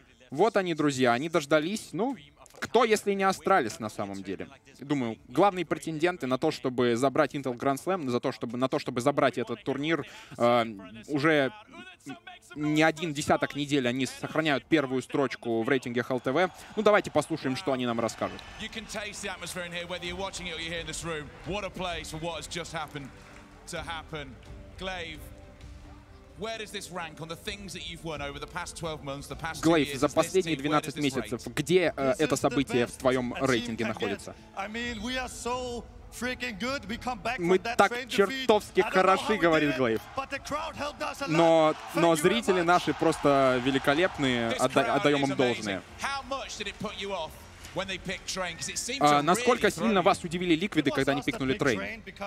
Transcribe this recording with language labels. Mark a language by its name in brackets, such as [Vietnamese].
[Russian] Вот они, друзья, они дождались. Ну, кто, если не Астралис на самом деле? Думаю, главные претенденты на то, чтобы забрать Intel Grand Slam, на то, чтобы забрать этот турнир, уже не один десяток недель они сохраняют первую строчку в рейтинге HLTV. Ну, давайте послушаем, что они нам расскажут. [English] You can taste the atmosphere in here, whether you're watching it or you're here in this room. What a place for what has just happened to happen. Glaive. Where does this rank on the things that you've won over the past 12 months, the past 2 years? [Russian] Glaive, за последние 12 месяцев, где это событие в твоём рейтинге находится? [English] I mean, we are so freaking good. We come back from that train defeat. [Russian] Мы так чертовски хороши, говорит Glaive. Но зрители наши просто великолепные, отдаём им должное. [English] How much did it put you off when they picked Train? Because it seemed to really. [Russian] Насколько сильно вас удивили ликвиды, когда они пикнули Train?